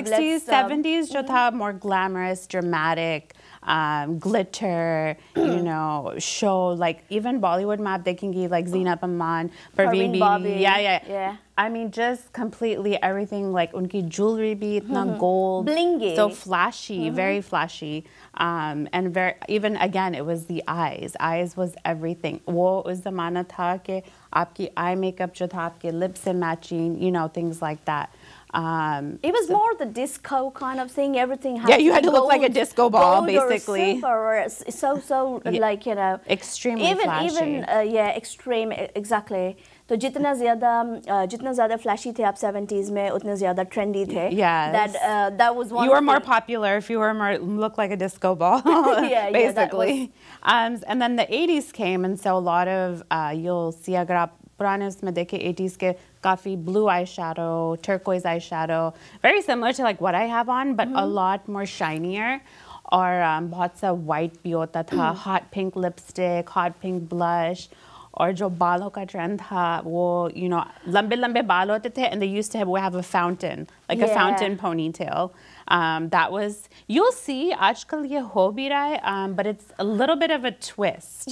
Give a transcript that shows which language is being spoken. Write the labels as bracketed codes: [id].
[en] 60s 70s [ur] jo tha [en] more glamorous, dramatic, glitter, you know, show, like even Bollywood map they can give like Zeenab Aman, Parveen Bobby. Yeah. I mean just completely everything, like [ur] unki jewelry bhi itna [en] gold, blingy, so flashy, very flashy, and very, even again it was the eyes. Eyes was everything. [ur] وہ اس زمانہ تھا کے آپکی eye makeup جو تھا آپکے lips سے matching، [en] you know، things like that. It was more the disco kind of thing. Everything had You had to gold, look like a disco ball, basically. Or so like, you know, extremely flashy. Extreme, exactly. [ur] So, jitna zyada flashy the aap 70s mein, utna zyada trendy the. [en] Yes. That was one. You were the, more popular if you were more look like a disco ball. Basically. Yeah, and then the 80s came, and so a lot of you'll see [ur] agar aap purane usme dekhe 80s ke. [en] Coffee, blue eyeshadow, turquoise eyeshadow, very similar to like what I have on, but a lot more shinier. [ur] اور بہت سا white بھی ہوتا تھا، [en] hot pink lipstick، hot pink blush۔ [ur] Or jo baalo ka trend tha, wo, [en] you know, [ur] lambe lambe baal hote the, [en] and they used to have a fountain, like a fountain ponytail. That was, you'll see, [ur] آج کل یہ ہو بھی رہا ہے، [en] but it's a little bit of a twist.